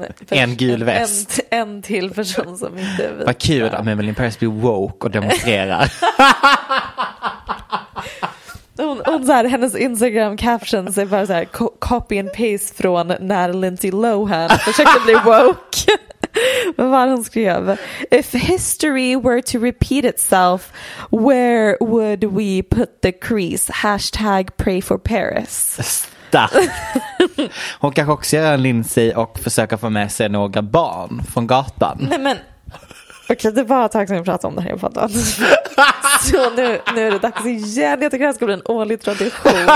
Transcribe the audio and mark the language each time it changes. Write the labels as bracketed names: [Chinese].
[Swedish] en gul väst. En till person som inte vet. Vad kul att Emily in Paris blir woke och demonstrerar. Hon så här, hennes Instagram captions är bara så här, copy and paste från när Lindsay Lohan försökte bli woke. Vad hon skrev: [English] if history were to repeat itself, where would we put the crease? Hashtag pray for Paris. [Swedish] Hon kanske också gör en Lindsay och försöka få med sig några barn från gatan. Nej men okej, det var ett tag som jag pratade om det här, jag fattar. Så nu är det dags igen. Jag tycker att det ska bli en årlig tradition.